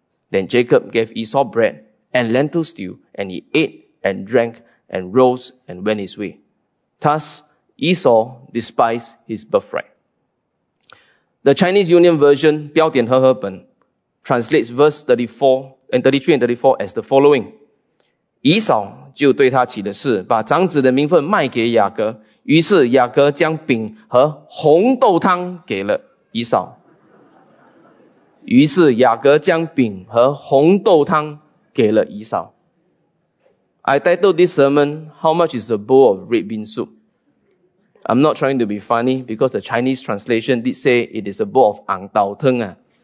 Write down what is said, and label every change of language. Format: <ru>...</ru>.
<en>Then Jacob gave Esau bread and lentil stew, and he ate and drank and rose and went his way. Thus Esau despised his birthright. The Chinese Union Version, 标点和合本, translates verse 33 and 34 as the following.</en> <zh>Esau 就对他起的事,把长子的名分卖给雅各, 于是雅各将饼和红豆汤给了以扫。</zh> <en>I titled this sermon, "How much is a bowl of red bean soup?" I'm not trying to be funny, because the Chinese translation did say it is a bowl of ang tao teng.</en>